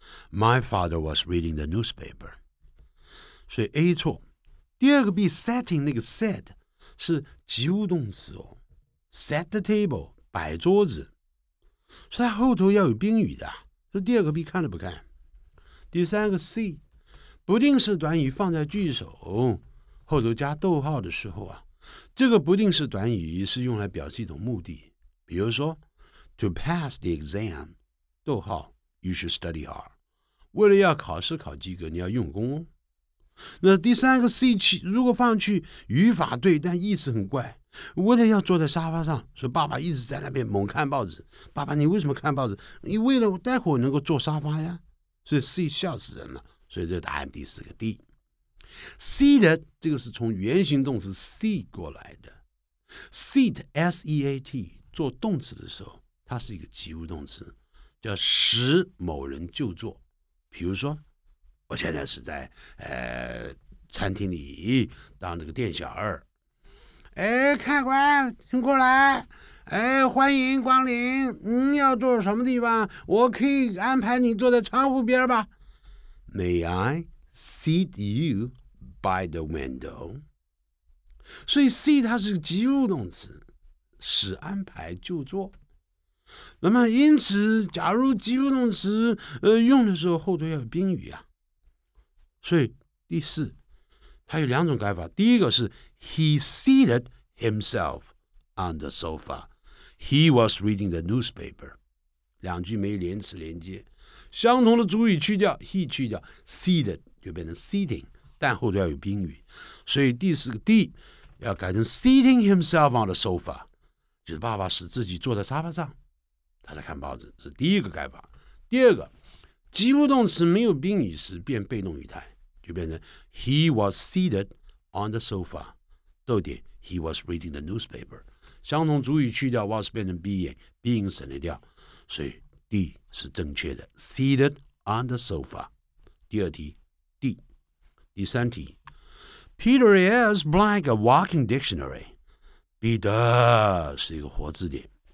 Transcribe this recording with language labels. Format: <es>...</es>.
<en>My father was reading the newspaper.</en> <zh>所以 A 错。第二个 B setting 那个 set 是及物动词哦。</zh> <en>Set the table,</en> <zh>摆桌子。所以它后头要有宾语的。所以第二个 B 看了不看。第三个 C, 不定式短语放在句首后头加逗号的时候啊。这个不定式短语是用来表示一种目的。比如说</zh> <en>,to pass the exam,</en> <zh>逗号</zh> <en>,you should study hard.</en> <zh>为了要考试考及格，你要用功哦。那第三个 C 如果放去，语法对，但意思很怪。为了要坐在沙发上，所以爸爸一直在那边猛看报纸。爸爸，你为什么看报纸？你为了我待会能够坐沙发呀。所以 C 笑死人了。所以这答案第四个 D。 Seated 这个是从原形动词 seat 过来的。 Seat S E A T 做动词的时候，它是一个及物动词，叫使某人就坐。比如说我现在是在餐厅里当这个店小二。看官请过来。欢迎光临，您要坐什么地方？我可以安排你坐在窗户边吧。</zh> <en>May I seat you by the window?</en> <zh>所以 seat 它是个及物动词，使安排就坐。那么因此假如及物动词用的时候后头要有宾语啊。所以第四它有两种改法，第一个是</zh> <en>He seated himself on the sofa. He was reading the newspaper.</en> <zh>两句没连词连接，相同的主语去掉 He 去掉 seated 就变成 seating， 但后头要有宾语。所以第四个 D 要改成</zh> <en>seating himself on the sofa，</en> <zh>就是爸爸使自己坐在沙发上，他在看报纸，是第一个改法。第二个，及物动词没有宾语时变被动语态，就变成</zh> <en>He was seated on the sofa.</en> <zh>逗点</zh> <en>He was reading the newspaper.</en> <zh>相同主语去掉 was 变成 being 省略掉，所以 D 是正确的</zh> <en>seated on the sofa.</en> <zh>第二题</zh> <en>D。</en> <zh>第三题</zh> <en>Peter is blank a walking dictionary.</en> <zh>彼得是一个活字典。</zh>